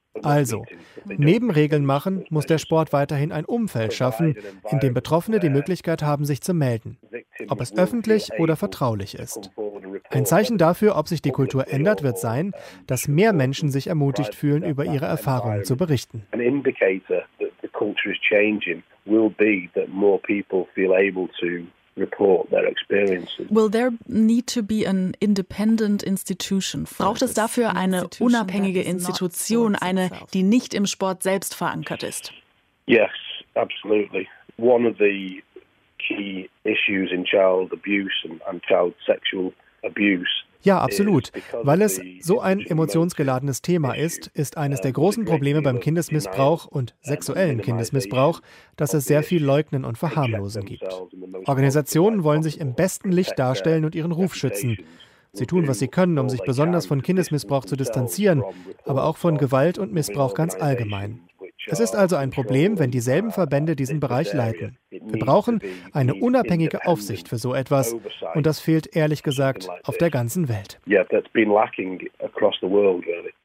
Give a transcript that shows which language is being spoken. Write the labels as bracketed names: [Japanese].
[German] Also, neben Regeln machen, muss der Sport weiterhin ein Umfeld schaffen, in dem Betroffene die Möglichkeit haben, sich zu melden, ob es öffentlich oder vertraulich ist. Ein Zeichen dafür, ob sich die Kultur ändert, wird sein, dass mehr Menschen sich ermutigt fühlen, über ihre Erfahrungen zu berichten. Ein Indikator, dass die Kultur sich ändert, wird sein, dass mehr Menschen sich ermutigt fühlen, [English] report their experiences. Will there need to be an independent institution? [German] Braucht es dafür eine unabhängige Institution, eine, die nicht im Sport selbst verankert ist? [English] Yes, absolutely. One of the key issues in child abuse and child sexual abuse. [German] Ja, absolut. Weil es so ein emotionsgeladenes Thema ist, ist eines der großen Probleme beim Kindesmissbrauch und sexuellen Kindesmissbrauch, dass es sehr viel Leugnen und Verharmlosen gibt. Organisationen wollen sich im besten Licht darstellen und ihren Ruf schützen. Sie tun, was sie können, um sich besonders von Kindesmissbrauch zu distanzieren, aber auch von Gewalt und Missbrauch ganz allgemein. Es ist also ein Problem, wenn dieselben Verbände diesen Bereich leiten. Wir brauchen eine unabhängige Aufsicht für so etwas, und das fehlt ehrlich gesagt auf der ganzen Welt. [English] Yeah, that's been lacking across the world, really.